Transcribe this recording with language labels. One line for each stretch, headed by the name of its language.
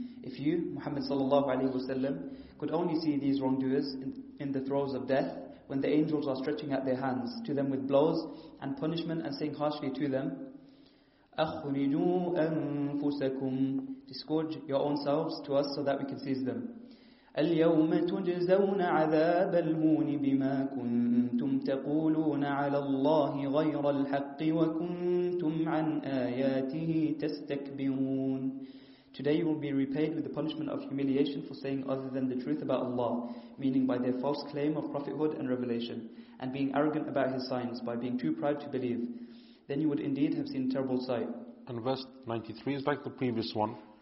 English: If you, Muhammad sallallahu alayhi wa sallam, could only see these wrongdoers in the throes of death, when the angels are stretching out their hands to them with blows and punishment and saying harshly to them,
Arabic: أَخْرِجُوا أَنفُسَكُمْ.
English: Disgorge your own selves to us so that we can seize them.
Arabic: اليوم تجزون عذاب الهون بما كنتم تقولون على الله غير الحق وكنتم عن آياته تستكبرون.
English: Today you will be repaid with the punishment of humiliation for saying other than the truth about Allah, meaning by their false claim of prophethood and revelation, and being arrogant about His signs by being too proud to believe. Then you would indeed have seen a terrible sight. And verse 93 is like the previous one.